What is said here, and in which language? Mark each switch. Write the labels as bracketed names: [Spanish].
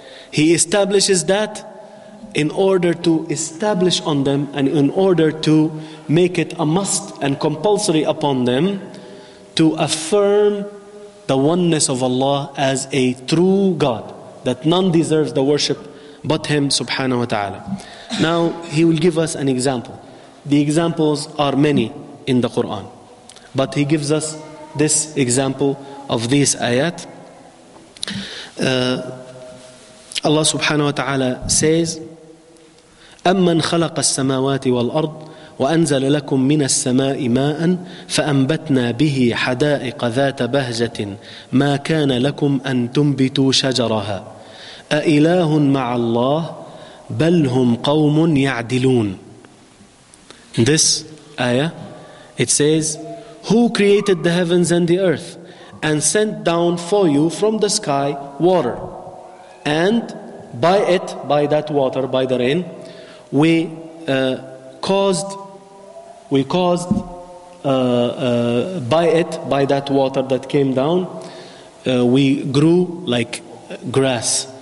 [English] He establishes that in order to establish on them and in order to make it a must and compulsory upon them to affirm the oneness of Allah as a true God, that none deserves the worship but Him subhanahu wa ta'ala. Now, he will give us an example. The examples are many in the Quran, but he gives us this example of this ayat. [Arabic] Allah subhanahu wa ta'ala says, أَمَّنْ خَلَقَ السَّمَاوَاتِ وَالْأَرْضِ وأنزل لكم من السماء ماء فأنبتنا به حدائق ذات بهجة ما كان لكم أن تنبتوا شجرها أإله مع الله بل هم قوم يعدلون. [English] This ayah, it says, who created the heavens and the earth and sent down for you from the sky water, and by it, by that water, by the rain, we caused by that water that came down, we grew like grass.